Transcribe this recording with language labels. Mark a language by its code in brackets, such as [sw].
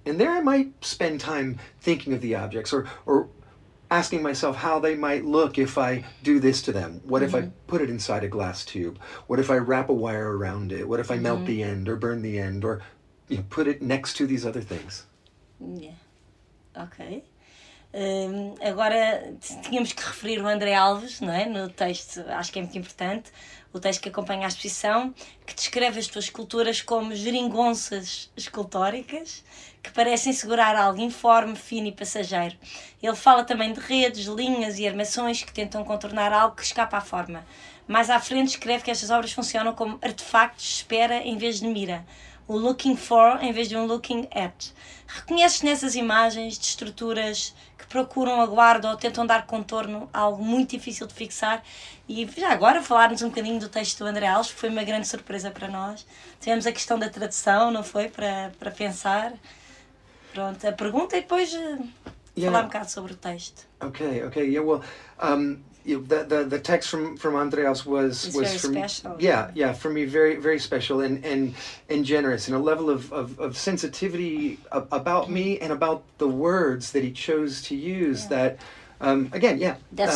[en] And there I might spend time thinking of the objects or asking myself how they might look if I do this to them. What mm-hmm. if I put it inside a glass tube? What if I wrap a wire around it? What if I melt mm-hmm. the end or burn the end or, you know, put it next to these other things? Yeah. Okay. [pt] Agora tínhamos que referir o André Alves, não é? No texto, acho que é muito importante, o texto que acompanha a exposição, que descreve as tuas esculturas como geringonças escultóricas que parecem segurar algo informe, fino e passageiro. Ele fala também de redes, linhas e armações que tentam contornar algo que escapa à forma. Mais à frente escreve que estas obras funcionam como artefactos de espera em vez de mira. o [en] looking for [pt] em vez de um [en] looking at. [pt] Reconheces nessas imagens de estruturas que procuram a guarda ou tentam dar contorno a algo muito difícil de fixar? E já agora falarmos um bocadinho do texto do André Alves, que foi uma grande surpresa para nós. Tivemos a questão da tradução, não foi? Para pensar. Pronto, a pergunta e depois falar um bocado sobre o texto. Ok, ok. [en] Yeah, well, the text from André Alves was very special. Yeah, for me very very special and generous, and a level of sensitivity about me and about the words that he chose to use. Yeah. That